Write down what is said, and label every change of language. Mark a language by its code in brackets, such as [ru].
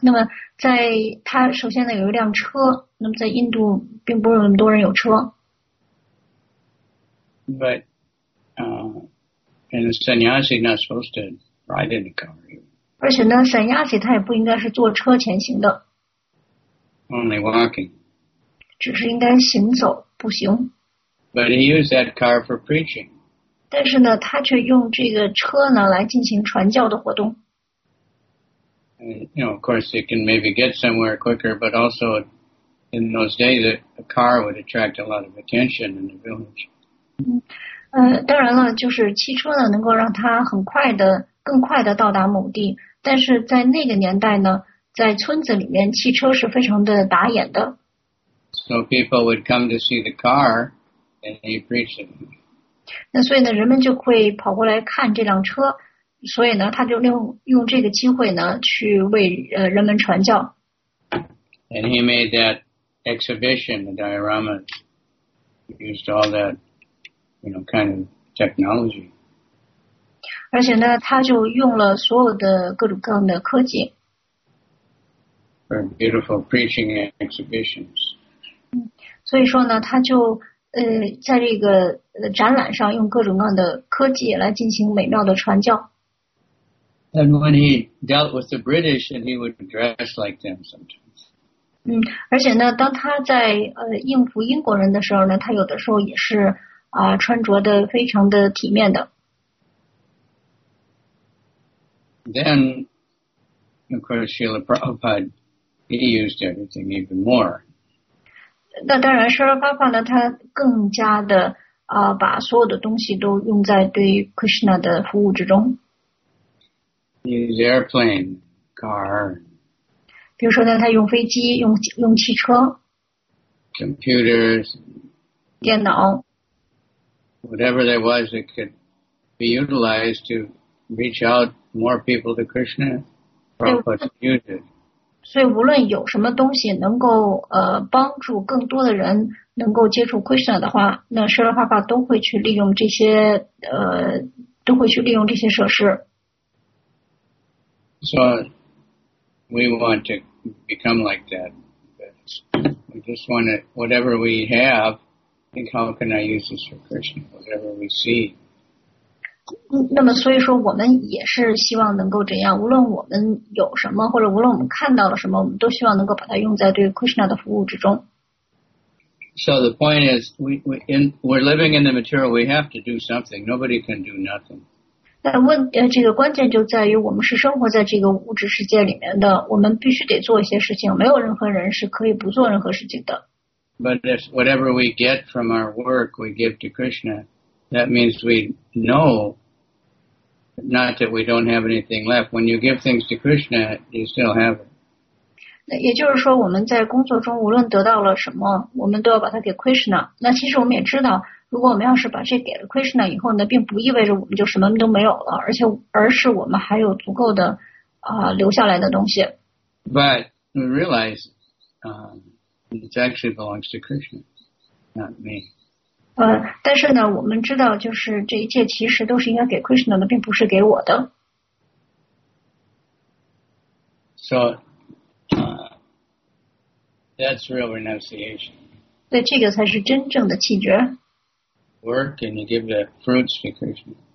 [zh] 那么在他首先呢有一辆车，那么在印度并不是那么多人有车。 [en] But and Sanyasi not supposed to ride in the car. [zh] 而且呢 Sanyasi 他也不应该是坐车前行的。 [en] Only walking. [zh] 只是应该行走步行。 [en] But he used that car for preaching. [zh] 但是呢，他却用这个车呢来进行传教的活动。 [en] You know, of course, it can maybe get somewhere quicker, but also in those days, a car would attract a lot of attention in the village. [zh] 当然了，就是汽车呢能够让他很快的、更快的到达某地，但是在那个年代呢，在村子里面，汽车是非常的打眼的。 [en] So people would come to see the car, and he preached it. [zh] 那所以呢，人们就会跑过来看这辆车，所以呢，他就用这个机会呢，去为人们传教。 [en] And he made that exhibition, the diorama, used all that, you know, kind of technology. [zh] 而且呢，他就用了所有的各种各样的科技。 [en] For beautiful preaching exhibitions. [zh] 所以说呢，他就在这个展览上用各种各样的科技来进行美妙的传教。 [en] And when he dealt with the British, and he would dress like them sometimes. [zh] 而且呢，当他在应付英国人的时候呢，他有的时候也是穿着的非常的体面的。 [en] Then, of course, Srila Prabhupada, he used everything even more. [zh] 那当然，舍勒巴帕呢，他更加的把所有的东西都用在对 Krishna 的服务之中。 [en] His airplane, car. [zh] 比如说呢，他用飞机，用汽车。 [en] Computers. [zh] 电脑。 [en] Whatever there was, it could be utilized to reach out more people to Krishna. Prabhupada used it. [zh] 所以无论有什么东西能够帮助更多的人能够接触 Krishna 的话，那舍勒帕帕都会去利用这些都会去利用这些设施。 [en] So we want to become like that. We just want to, whatever we have, think how can I use this for Krishna, whatever we see. [zh] 那么所以说我们也是希望能够这样，无论我们有什么或者无论我们看到了什么，我们都希望能够把它用在对 Krishna 的服务之中。 [en] So the point is we're living in the material, we have to do something, nobody can do nothing. [zh] 这个关键就在于我们是生活在这个物质世界里面的，我们必须得做一些事情，没有任何人是可以不做任何事情的。 [en] But if whatever we get from our work we give to KrishnaThat means we know, not that we don't have anything left. When you give things to Krishna, you still have it. [zh] 那也就是说，我们在工作中无论得到了什么，我们都要把它给 Krishna。那其实我们也知道，如果我们要是把这给了 Krishna 以后呢，并不意味着我们就什么都没有了，而是我们还有足够的留下来的东西。 [en] But we realize, it actually belongs to Krishna, not me. [zh] 但是呢，我们知道，就是这一切其实都是应该给 Krishna 的，并不是给我的。 [en] So, that's real renunciation. [zh] 对，这个才是真正的弃绝。 [en] work and you give the fruits to Krishna.